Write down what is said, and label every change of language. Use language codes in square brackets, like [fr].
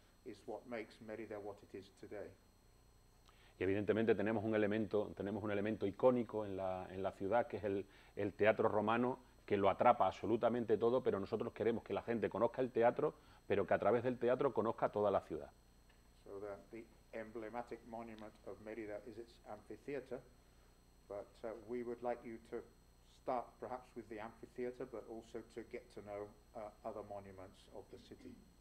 [en] is what makes Mérida what it is today. [es] Y evidentemente tenemos un elemento icónico en la ciudad, que es el teatro romano, que lo atrapa absolutamente todo, pero nosotros queremos que la gente conozca el teatro, pero que a través del teatro conozca toda la ciudad. [en] So the emblematic monument of Mérida is its amphitheater, but we would like you to start perhaps with the amphitheater, but also to get to know other monuments of the city.